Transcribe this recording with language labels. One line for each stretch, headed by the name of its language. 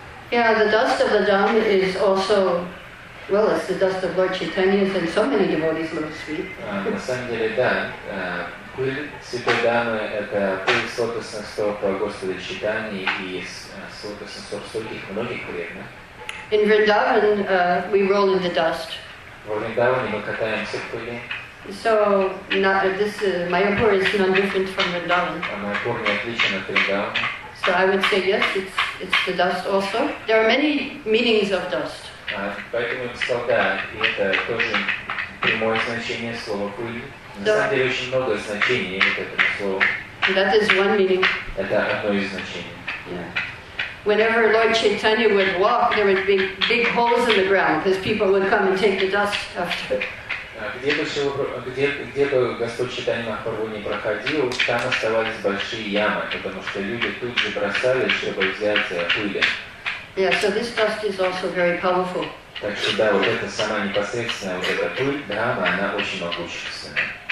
English: Yeah, the dust of the Dhamma is also, well, it's the dust of Lord Chaitanya's and so many devotees, so to speak.
Russian: На самом деле, да, пыль святой Дхаммы – это пыль с лотосных стоп Господа Чайтаньи и с лотосных стоп стольких многих преданных.
English: In Vrindavan, we roll in the dust.
Russian: В Вриндаване мы катаемся в пыли.
English: So, not, this Mayapur is no different from Vrindavan.
Russian: Mayapur не отличен от Vrindavana.
English: So I would say yes, it's the dust also. There are many meanings of dust.
Russian: Поэтому я бы сказал, да, и это тоже прямое значение слова пыль. На самом деле очень много значений имеет это слово.
English: That is one meaning.
Russian: Это одно из значений.
English: Whenever Lord Chaitanya would walk, there would be big holes in the ground because people would come and take the dust after.
Russian: Где бы Господь Чайтанья Махапрабху не проходил, там оставались большие ямы, потому что люди тут же бросались, чтобы взять пыль.
English: Yeah, so this dust is also very powerful.
Russian: Так что да, вот эта сама непосредственная вот эта пыль, Дхамма, она очень могущественная.